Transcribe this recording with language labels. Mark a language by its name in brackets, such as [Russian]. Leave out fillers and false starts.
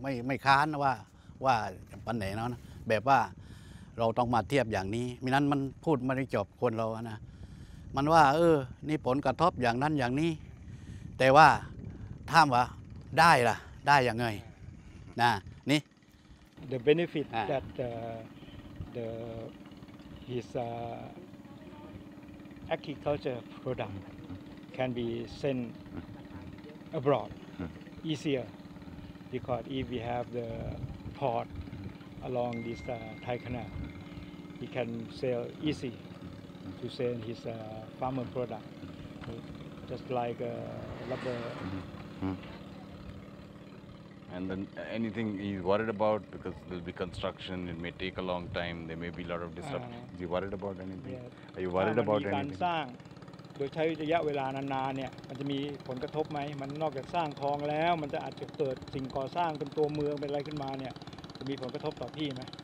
[Thai] ม่ค้านว่าปัญหาเนาะแบบว่าเราต้องมาเทียบอย่างนี้มินั้นมันพูดไม่ได้จบคนเรานะมันว่าเออนี่ผลกระทบอย่างนั้นอย่างนี้แต่ว่าถามว่าได้ล่ะได้ยังไงนะนี่ [English] the benefit that the hisAgriculture product can be sent abroad easier because if we have the port along this Thai Canal, he can sell easy to send his farmer product, just like rubber. And then anything he's worried about because there'll be construction, it may take a long time, there may be a lot of disruption. Is he worried about anything? Yeah. Are you worried about anything? [Thai] การสร้างโดยใช้ระยะเวลานานๆเนี่ยมันจะมีผลกระทบไหมมันนอกจากสร้างคลองแล้วมันจะอาจจะเกิดสิ่งก่อสร้างเป็นตัวเมืองเป็นอะไรขึ้นมาเนี่ยจะมีผลกระทบต่อพี่ไหม